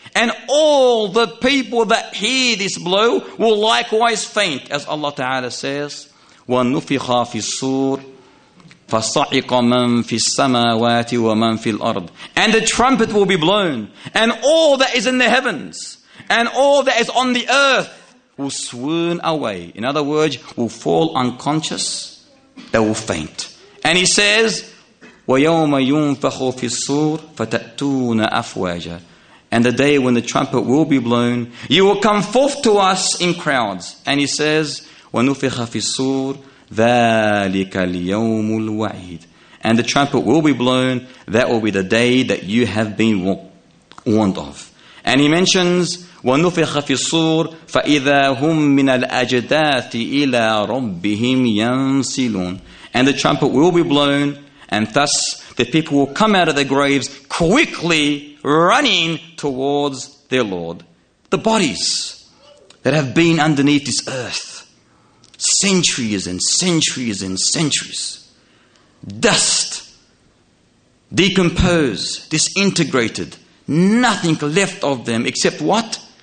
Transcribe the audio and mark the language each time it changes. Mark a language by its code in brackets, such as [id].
[en] And all the people that hear this blow will likewise faint, as Allah Ta'ala says, [ar] وَنُفِخَ فِي الصُّورِ فَصَعِقَ مَنْ فِي السَّمَاوَاتِ وَمَنْ فِي الْأَرْضِ. [en] And the trumpet will be blown, and all that is in the heavens, and all that is on the earth, will swoon away. In other words, will fall unconscious. They will faint. And he says, [ar] وَيَوْمَ يُنْفَخُ فِي الصُّورِ فَتَأْتُونَ أَفْوَاجًا. [en] and the day when the trumpet will be blown, you will come forth to us in crowds. And he says, [ar] وَنُفِخَ فِي الصُّورِ ذَلِكَ الْيَوْمُ الْوَعِيدِ. [en] And the trumpet will be blown. That will be the day that you have been warned of. And he mentions, [ar] وَنُفِخَ فِي الصُّورِ فَإِذَا هُمْ مِنَ الْأَجْدَاثِ إِلَىٰ رَبِّهِمْ يَنْسِلُونَ. [en] And the trumpet will be blown, and thus the people will come out of their graves quickly running towards their Lord. The bodies that have been underneath this earth, centuries and centuries and centuries, dust, decomposed, disintegrated, nothing left of them except what?